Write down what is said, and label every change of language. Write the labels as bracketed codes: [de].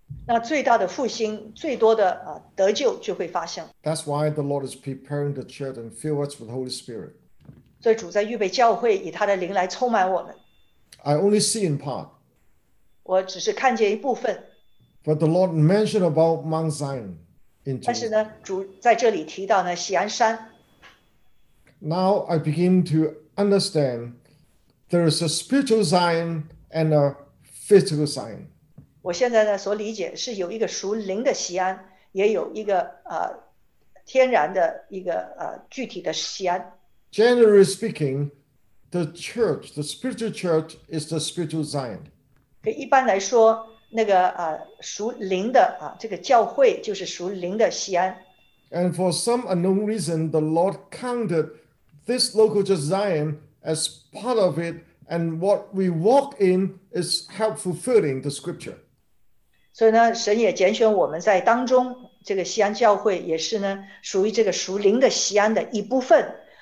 [zh] 那最大的复兴，最多的得救就会发生。 [en] That's why the Lord is preparing the church and fill us with the Holy Spirit. [zh] 所以主在预备教会，以他的灵来充满我们。 [en] I only see in part. [zh] 我只是看见一部分。 [en] But the Lord mentioned about Mount Zion. [zh] 但是呢，主在这里提到呢，锡安山。 [en] Now I begin to understand there is a spiritual Zion and a physical Zion. [zh] 我现在呢所理解是有一个属灵的锡安，也有一个天然的一个具体的锡安。 [en] Generally speaking, the church, the spiritual church, is the spiritual Zion. [zh] 一般来说，那个属灵的这个教会就是属灵的锡安。 [en] And for some unknown reason, the Lord counted this local church Zion as part of it, and what we walk in is help fulfilling the scripture. [zh] 所以呢，神也拣选我们在当中，这个锡安教会也是呢，属于这个属灵的锡安的一部分，